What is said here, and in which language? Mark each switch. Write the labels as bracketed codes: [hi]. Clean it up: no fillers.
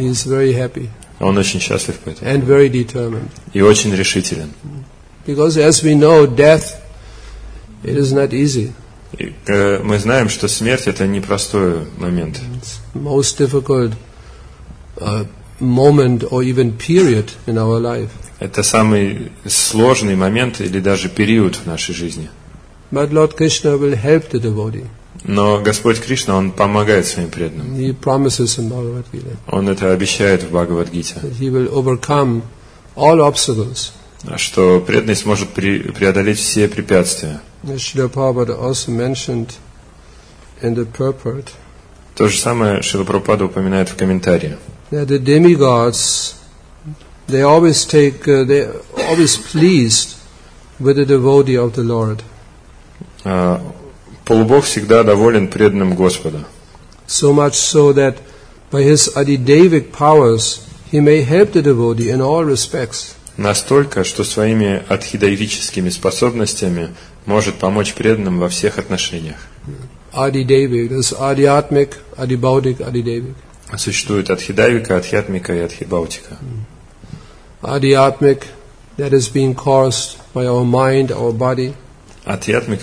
[en] He is very happy. [ru] Он очень счастлив по этому. [en] And very determined. [ru] И очень решителен. [en] Because, as we know, death, it is not easy. [ru] Мы знаем, что смерть — это непростой момент. [en] It's most difficult moment or even period in our life. [ru] Это самый сложный момент или даже период в нашей жизни. [en] But Lord Krishna will help the devotee. [ru] Но Господь Кришна, Он помогает Своим преданным. [en] He promises in Bhagavad Gita. [ru] Он это обещает в Бхагавад-гите. [en] He will overcome all obstacles. [ru] Что преданный сможет преодолеть все препятствия. [en] Шрила Прабхупада also mentioned in the purport. [ru] То же самое Шрила Прабхупада упоминает в комментарии. [en] That the demigods, they always take, they always pleased with the devotee of the Lord. [ru] Полубог всегда доволен преданным Господа. [en] So much so that by his adidevic powers he may help the devotee in all respects. [ru] Настолько, что своими адхидаевическими способностями может помочь преданным во всех отношениях. Существует адхидаевика, адхиатмика и адхибаутика. Адхиатмик